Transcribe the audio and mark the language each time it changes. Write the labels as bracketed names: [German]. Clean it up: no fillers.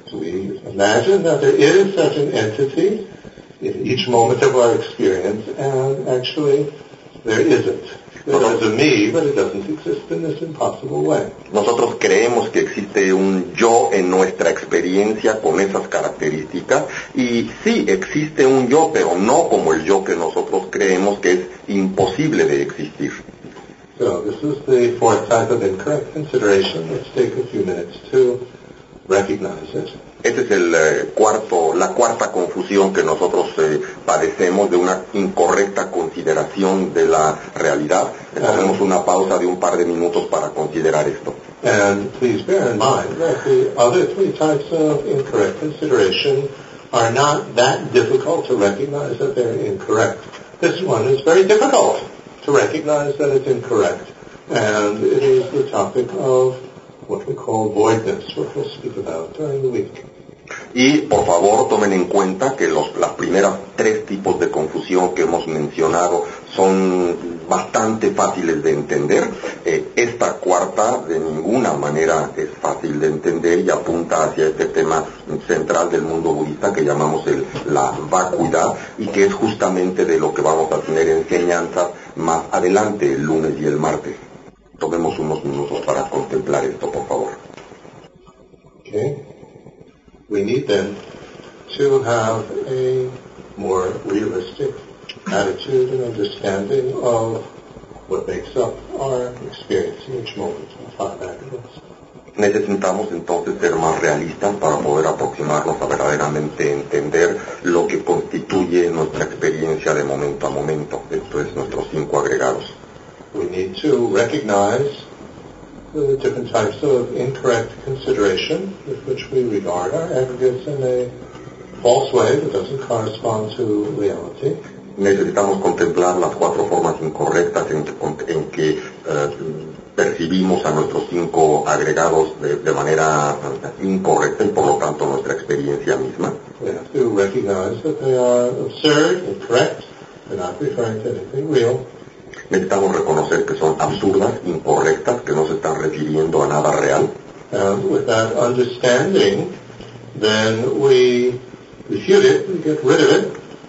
[English] We imagine that there is such an entity in each moment of our experience, and actually, there isn't. There is a me, but it doesn't exist in this impossible way. [Spanish] Nosotros creemos que existe un yo en nuestra experiencia con esas características, y sí, existe un yo, pero no como el yo que nosotros creemos que es imposible de existir. [English] So this is the fourth type of incorrect consideration. Let's take a few minutes to recognize it. [Spanish] Este es el cuarto, la cuarta confusión que nosotros padecemos de una incorrecta consideración de la realidad. Hacemos una pausa de un par de minutos para considerar esto. [English] And please bear in mind that the other three types of incorrect consideration are not that difficult to recognize that they're incorrect. This one is very difficult to recognize that it's incorrect, and it is the topic of what we call voidness, which we'll speak about during the week. [Spanish] Y por favor tomen en cuenta que las primeras tres tipos de confusión que hemos mencionado son bastante fáciles de entender. Esta cuarta de ninguna manera es fácil de entender y apunta hacia este tema central del mundo budista que llamamos la vacuidad, y que es justamente de lo que vamos a tener enseñanzas más adelante, el lunes y el martes. Tomemos unos minutos para contemplar esto, por favor. [English] Okay. We need then to have a more realistic attitude and understanding of what makes up our experience in each moment. We'll talk about this. [Spanish] Necesitamos entonces ser más realistas para poder aproximarnos a verdaderamente entender lo que constituye nuestra experiencia de momento a momento. Esto es nuestros cinco agregados. [English] We need to recognize the different types of incorrect consideration with which we regard our aggregates in a false way that doesn't correspond to reality. [Spanish] Necesitamos contemplar las cuatro formas incorrectas en que percibimos a nuestros cinco agregados de manera incorrecta y, por lo tanto, nuestra experiencia misma. [English] We have to recognize that they are absurd, incorrect, they're not referring to anything real. [Spanish] Necesitamos reconocer que son absurdas, incorrectas, que no se están refiriendo a nada real. [English] And with that understanding, then we refute it, we get rid of it.